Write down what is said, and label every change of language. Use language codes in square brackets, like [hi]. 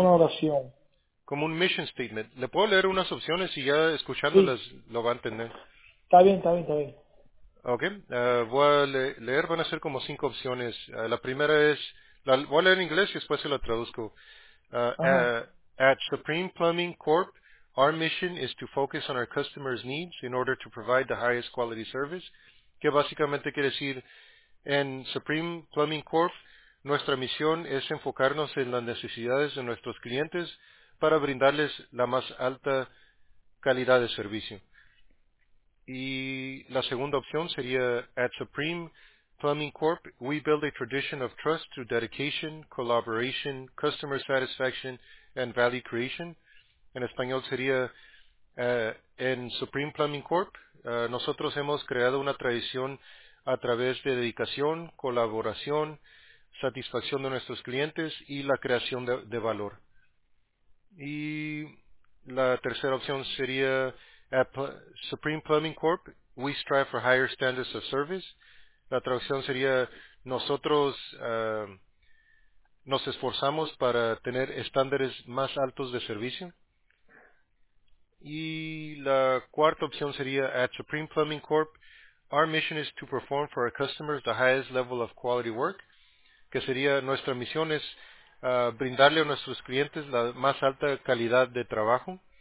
[es] una oración? como un mission statement. Le puedo leer unas opciones y ya Sí. escuchándolas lo va a entender. Está bien, está bien, está bien. Ok, voy a le leer, van a ser como cinco opciones. La primera es, voy a leer en inglés y después se la traduzco. Ajá. [en] At Supreme Plumbing Corp, our mission is to focus on our customers' needs in order to provide the highest quality service. [es] Que básicamente quiere decir, en Supreme Plumbing Corp, nuestra misión es enfocarnos en las necesidades de nuestros clientes para brindarles la más alta calidad de servicio. la segunda opción sería at Supreme Plumbing Corp. [en] We build a tradition of trust through dedication, collaboration, customer satisfaction, and value creation. [es] En español sería en Supreme Plumbing Corp. Nosotros hemos creado una tradición a través de dedicación, colaboración, satisfacción de nuestros clientes y la creación de valor. Y la tercera opción sería at Supreme Plumbing Corp. [en] We strive for higher standards of service. [es] La traducción sería, nosotros nos esforzamos para tener estándares más altos de servicio. Y la cuarta opción sería, [en] at Supreme Plumbing Corp., our mission is to perform for our customers the highest level of quality work, [es] que sería, nuestra misión es brindarle a nuestros clientes la más alta calidad de trabajo.